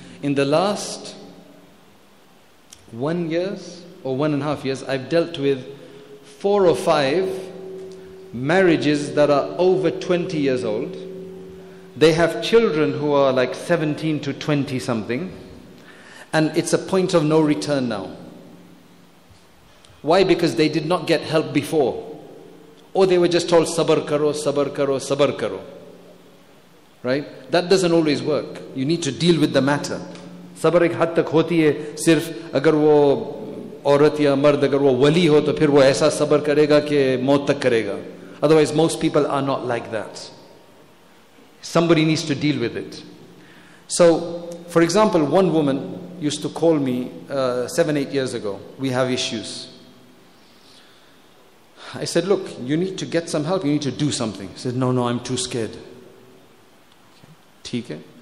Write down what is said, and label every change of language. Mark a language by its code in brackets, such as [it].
[en] In the last 1 year or 1.5 years, I've dealt with 4 or 5 marriages that are over 20 years old. They have children who are like 17 to 20 something. And it's a point of no return now. Why? Because they did not get help before. Or they were just told, [ur] صبر کرو، صبر کرو، صبر کرو. [en] Right? That doesn't always work. You need to deal with the matter. [ur] صبر ایک حد تک ہوتی ہے، صرف اگر وہ عورت یا مرد اگر وہ ولی ہو، تو پھر وہ ایسا صبر کرے گا کہ موت تک کرے گا. [en] Otherwise, most people are not like that. Somebody needs to deal with it. So, for example, one woman used to call me 7-8 years ago. We have issues. I said, look, you need to get some help. You need to do something. She said, no, I'm too scared. Okay.